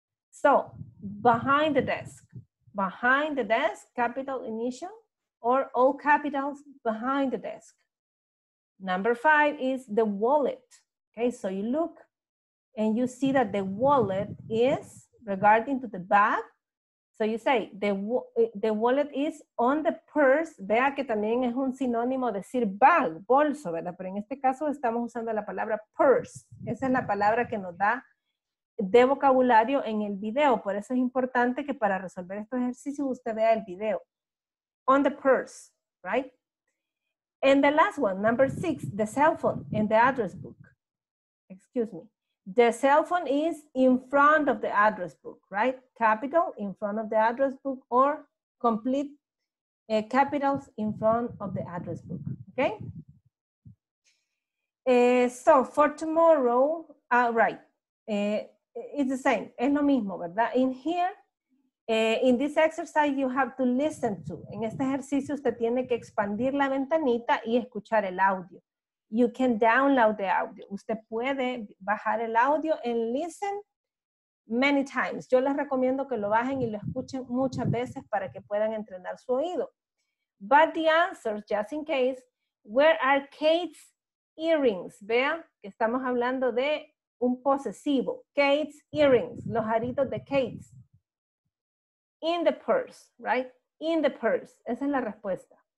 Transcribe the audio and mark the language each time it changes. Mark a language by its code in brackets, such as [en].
[en] So, behind the desk. Behind the desk, capital initial, or all capitals, behind the desk. Number five is the wallet. Okay, so you look and you see that the wallet is regarding to the bag. So you say, the wallet is on the purse. [es] Vea que también es un sinónimo decir bag, bolso, ¿verdad? Pero en este caso estamos usando la palabra purse. Esa es la palabra que nos da de vocabulario en el video. Por eso es importante que para resolver este ejercicio usted vea el video. [en] On the purse, right? And the last one, number six, the cell phone in the address book. Excuse me. The cell phone is in front of the address book, right? Capital, in front of the address book, or complete capitals in front of the address book, okay? So, for tomorrow, right, it's the same, [es] es lo mismo, ¿verdad? [en] In here, in this exercise, you have to listen to. [es] En este ejercicio, usted tiene que expandir la ventanita y escuchar el audio. [en] You can download the audio. [es] Usted puede bajar el audio [en] and listen many times. [es] Yo les recomiendo que lo bajen y lo escuchen muchas veces para que puedan entrenar su oído. [en] But the answers, just in case, where are Kate's earrings? [es] Vea que estamos hablando de un posesivo. [en] Kate's earrings, [es] los aritos de Kate's. [en] In the purse, right? In the purse. [es] Esa es la respuesta.